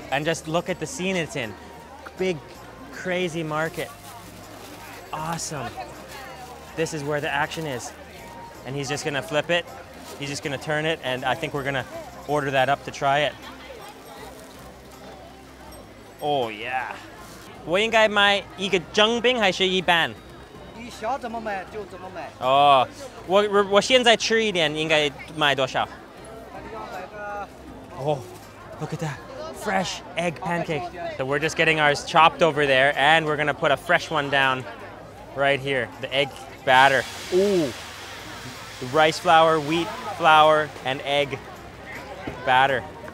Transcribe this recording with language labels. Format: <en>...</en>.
<en>And just look at the scene it's in. Big, crazy market. Awesome. This is where the action is. And he's just gonna flip it. He's just gonna turn it, and I think we're gonna order that up to try it. Oh yeah.</en> <zh>我应该买一个蒸饼还是一般？你想怎么买就怎么买。哦，我现在吃一点，应该买多少？</zh> <en>Oh, look at that. Fresh egg pancake. So we're just getting ours chopped over there, and we're gonna put a fresh one down. Right here, the egg batter. Ooh, the rice flour, wheat flour, and egg batter.</en>